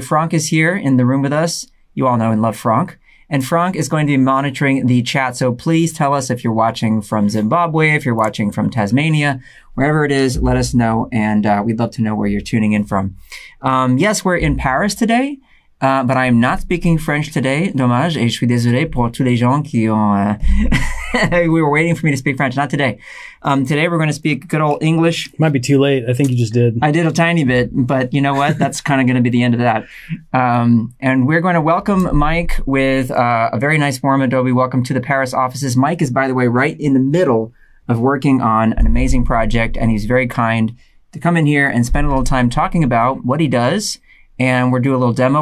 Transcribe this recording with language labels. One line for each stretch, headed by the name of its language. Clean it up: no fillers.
English: Franck is here in the room with us. You all know and love Franck. And Franck is going to be monitoring the chat. So please tell us if you're watching from Zimbabwe, if you're watching from Tasmania, wherever it is, let us know. And we'd love to know where you're tuning in from. Yes, we're in Paris today, but I am not speaking French today.
French: Dommage, et je suis désolé pour tous les gens qui ont...
English: we were waiting for me to speak French, not today. Today we're gonna speak good old English. Might be too late, I think you just did. I did a tiny bit, but you know what? That's kind of gonna be the end of that. And we're gonna welcome Mike with a very nice warm Adobe welcome to the Paris offices. Mike is, by the way, right in the middle of working on an amazing project, and he's very kind to come in here and spend a little time talking about what he does, and we'll do a little demo.